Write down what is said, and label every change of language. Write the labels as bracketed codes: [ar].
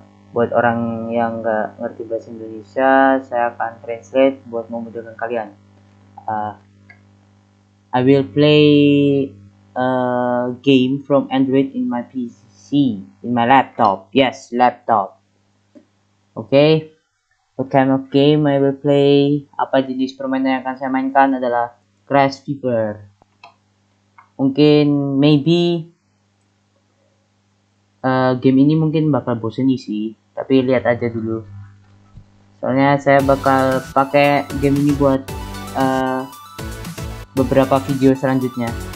[id] Buat orang yang nggak ngerti bahasa Indonesia, saya akan translate buat memudahkan kalian. [en] I will play a game from Android in my PC, in my laptop. Yes, laptop. Okay, what kind of game I will play? [id] Apa jenis permainan yang akan saya mainkan adalah Crash Fever. Mungkin, maybe, game ini mungkin bakal bosan isi, tapi lihat aja dulu. Soalnya saya bakal pakai game ini buat beberapa video selanjutnya.